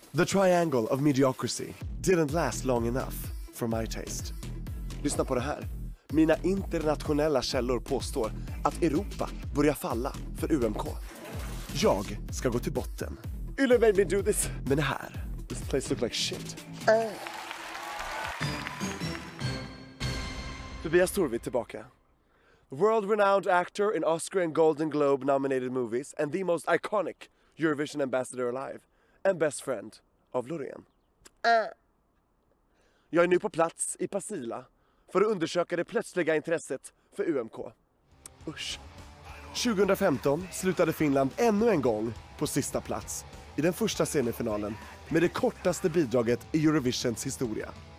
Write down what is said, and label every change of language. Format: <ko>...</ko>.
<en>The triangle of mediocrity didn't last long enough for my taste.</en> <sv>Lyssna på det här. Mina internationella källor påstår att Europa börjar falla för UMK. Jag ska gå till botten.</sv> <en>Ulle made me do this.</en> <sv>Men det här.</sv> <en>This place looks like shit.</en> <sv>Tobias Torvid tillbaka.</sv> <en>World-renowned actor in Oscar and Golden Globe nominated movies and the most iconic Eurovision ambassador alive and best friend of Loreen.</en> <sv>Jag är nu på plats i Pasila för att undersöka det plötsliga intresset för UMK. Usch. 2015 slutade Finland ännu en gång på sista plats i den första semifinalen med det kortaste bidraget i Eurovisions historia.</sv>